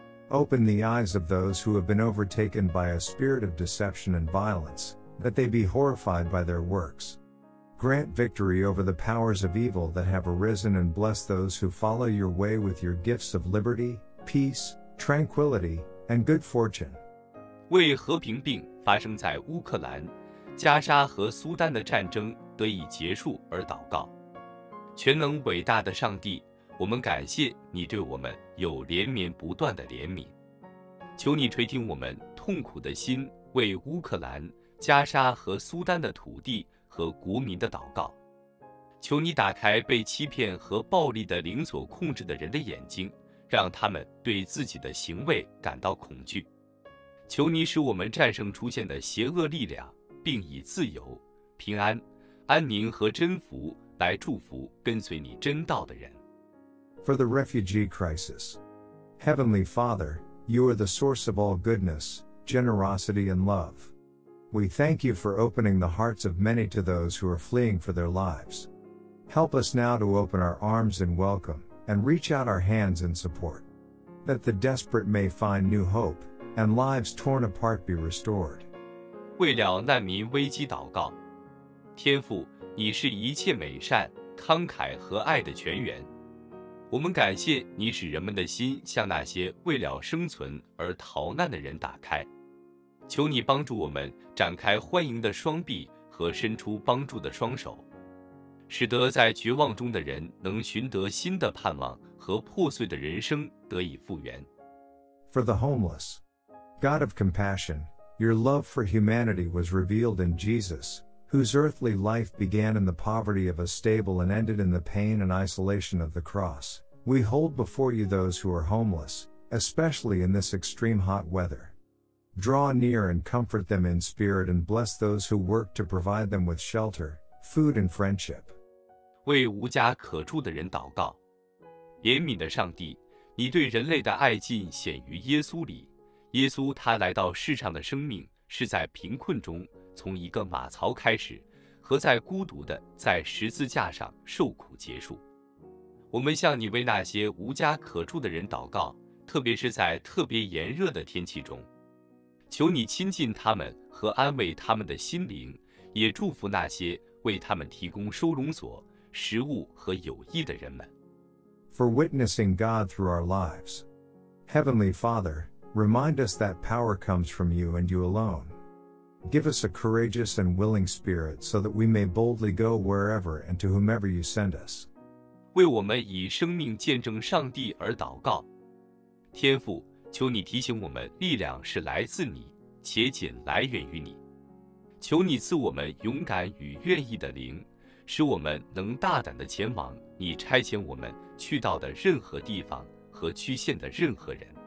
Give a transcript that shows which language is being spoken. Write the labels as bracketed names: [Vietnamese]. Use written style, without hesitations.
[English] Open the eyes of those who have been overtaken by a spirit of deception and violence, that they be horrified by their works. Grant victory over the powers of evil that have arisen and bless those who follow your way with your gifts of liberty, peace, tranquility, and good fortune. [Chinese] 为和平病发生在乌克兰、加沙和苏丹的战争得以结束而祷告。全能伟大的上帝，我们感谢你对我们有连绵不断的怜悯。求你垂听我们痛苦的心，为乌克兰、加沙和苏丹的土地和国民的祷告。求你打开被欺骗和暴力的灵所控制的人的眼睛，让他们对自己的行为感到恐惧。求你使我们战胜出现的邪恶力量，并以自由、平安、安宁和真福来祝福跟随你真道的人。 [English] For the refugee crisis, Heavenly Father, you are the source of all goodness, generosity and love. We thank you for opening the hearts of many to those who are fleeing for their lives. Help us now to open our arms in welcome and reach out our hands in support. That the desperate may find new hope and lives torn apart be restored. [Chinese] 为了难民危机祷告。天父，你是一切美善、慷慨和爱的泉源。我们感谢你使人们的心向那些为了生存而逃难的人打开。求你帮助我们展开欢迎的双臂和伸出帮助的双手，使得在绝望中的人能寻得新的盼望和破碎的人生得以复原。 [English] For the homeless, God of compassion, your love for humanity was revealed in Jesus, whose earthly life began in the poverty of a stable and ended in the pain and isolation of the cross. We hold before you those who are homeless, especially in this extreme hot weather. Draw near and comfort them in spirit and bless those who work to provide them with shelter, food and friendship. [Chinese] 为无家可住的人祷告。怜悯的上帝，你对人类的爱尽显于耶稣里。耶稣他来到世上的生命是在贫困中从一个马槽开始，和在孤独的在十字架上受苦结束。我们向你为那些无家可住的人祷告，特别是在特别炎热的天气中。求你亲近他们和安慰他们的心灵，也祝福那些为他们提供收容所、食物和友谊的人们。 [English] For witnessing God through our lives, Heavenly Father, remind us that power comes from you and you alone. Give us a courageous and willing spirit so that we may boldly go wherever and to whomever you send us. [Chinese] 为我们以生命见证上帝而祷告。天父，求你提醒我们力量是来自你，且仅来源于你。求你赐我们勇敢与愿意的灵，使我们能大胆地前往你差遣我们去到的任何地方和去见的任何人。